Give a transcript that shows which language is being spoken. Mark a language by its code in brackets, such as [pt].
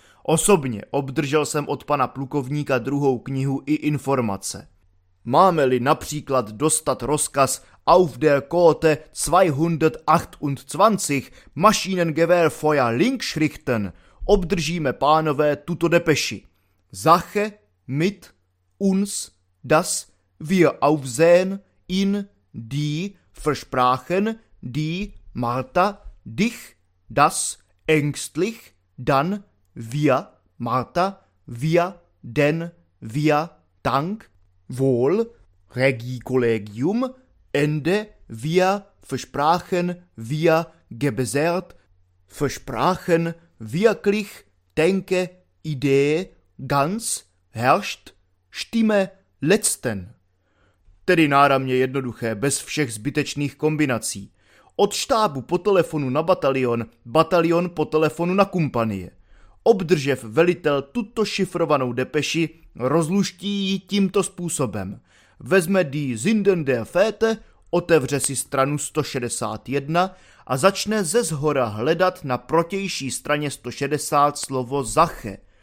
[cs] Osobně obdržel jsem od pana plukovníka druhou knihu i informace. Máme-li například dostat rozkaz [de] Auf der Kote 228 Maschinengewehr Feuer Linkschrichten, [cs] obdržíme, pánové, tuto depeši. [de] Zache, mit, uns, das, wir aufsehen, in, die, versprachen, die, Marta, dich, das, ängstlich, dann, wir, Marta, wir, denn, wir, dank, wohl, regikollegium, Ende, wir, versprachen, wir, gebesert, versprachen, wirklich, denke, Idee, ganz, herrscht, stimme, letzten. [cs] Tedy náramně jednoduché, bez všech zbytečných kombinací. Od štábu po telefonu na batalion, batalion po telefonu na kumpanie. obdržev velitel tuto šifrovanou depeši, rozluští ji tímto způsobem. Vezme Die Sinden der Väter, otevře si stranu 161 a začne ze zhora hledat na protější straně 160 slovo Zache.